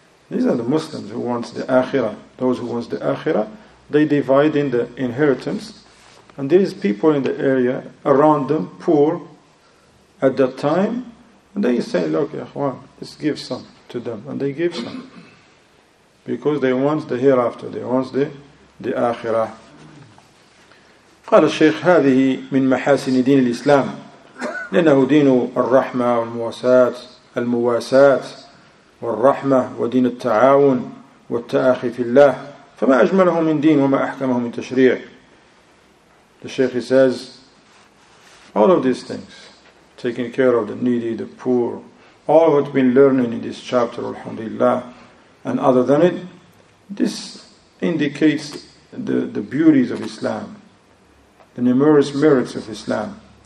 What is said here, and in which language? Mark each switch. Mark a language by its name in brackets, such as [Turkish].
[English] These are the Muslims who want the Akhirah. Those who want the Akhirah, they divide in the inheritance, and there is people in the area around them, poor at that time, and they say, look, Ikhwan, let's give some to them, and they give some. Because they want the hereafter, they want the Akhirah. [Arabic] قال الشيخ هذه من محاسن دين الإسلام لأنه دين الرحمة والمواساة والرحمة ودين التعاون والتآخي في الله فما أجمله من دين وما أحكمه من تشريع. [English] The Shaykh says, all of these things, taking care of the needy, the poor, all what we've been learning in this chapter, alhamdulillah, and other than it, this indicates the beauties of Islam, the numerous merits of Islam.